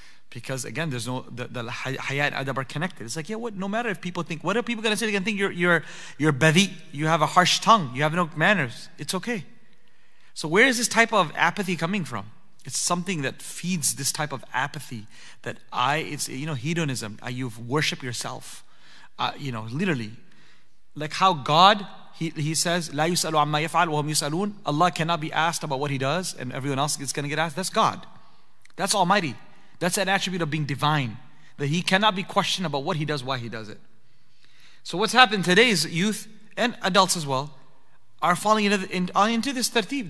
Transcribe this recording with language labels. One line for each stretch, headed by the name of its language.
English: Because again, there's no, the haya and adab are connected. It's like, yeah, what? No matter if people think, what are people going to say? They're going to think you're badi, you have a harsh tongue, you have no manners. It's okay. So where is this type of apathy coming from? It's something that feeds this type of apathy that hedonism. You worship yourself. Literally. Like how God, he says,
Arabic: لا يسألوا عما يفعل وهم يسألون.
English: Allah cannot be asked about what he does and everyone else is going to get asked. That's God. That's Almighty. That's an attribute of being divine. That he cannot be questioned about what he does, why he does it. So what's happened today is youth and adults as well are falling into this tartib.